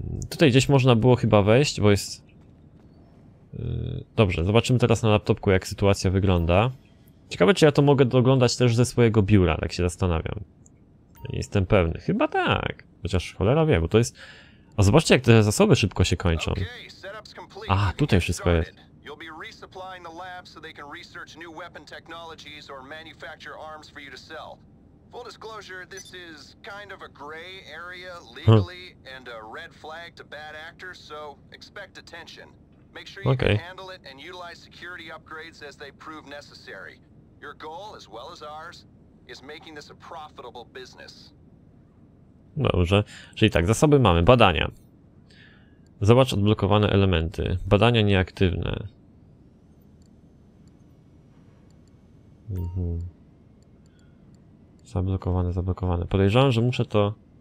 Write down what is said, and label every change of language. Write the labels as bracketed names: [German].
[Polish] Tutaj gdzieś można było chyba wejść, bo jest... Dobrze, zobaczymy teraz na laptopku, jak sytuacja wygląda. Ciekawe, czy ja to mogę doglądać też ze swojego biura, tak się zastanawiam. Nie jestem pewny. Chyba tak. Chociaż cholera wie, bo to jest... A zobaczcie, jak te zasoby szybko się kończą. A, tutaj wszystko jest. [English] You'll be resupplying the lab so they can research new weapon technologies or manufacture arms for you to sell. Full disclosure, this is kind of a gray area legally and a red flag to bad actors, so expect attention. Make sure you can handle it and utilize security upgrades as they prove necessary. Your goal, as well as ours, is making this a profitable business. [Polish] Dobrze. Czyli tak, zasoby mamy, badania. Zobacz odblokowane elementy. Badania nieaktywne. Zablokowane, zablokowane. Podejrzewam, że muszę to...